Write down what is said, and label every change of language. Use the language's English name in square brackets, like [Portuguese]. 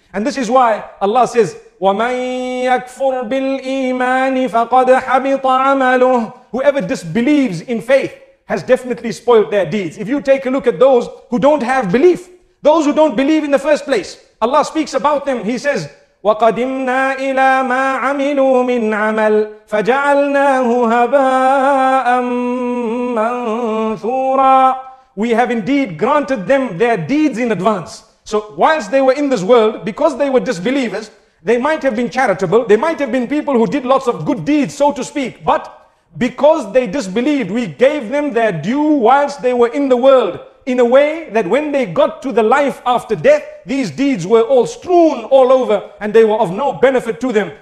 [English] And this is why Allah says, [Arabic] وَمَن يَكْفُرْ بِالْإِيمَانِ فَقَدْ حَبِطَ عَمَلُهُ. [English] Whoever disbelieves in faith has definitely spoiled their deeds. If you take a look at those who don't have belief, those who don't believe in the first place, Allah speaks about them. He says, [Arabic] وَقَدِمْنَا إِلَىٰ مَا عَمِلُوا مِنْ عَمَلٍ فَجَعَلْنَاهُ هَبَاءً مَنْثُورًا. [English] We have indeed granted them their deeds in advance. So whilst they were in this world, because they were disbelievers, they might have been charitable. They might have been people who did lots of good deeds, so to speak. But because they disbelieved, we gave them their due whilst they were in the world in a way that when they got to the life after death, these deeds were all strewn all over and they were of no benefit to them.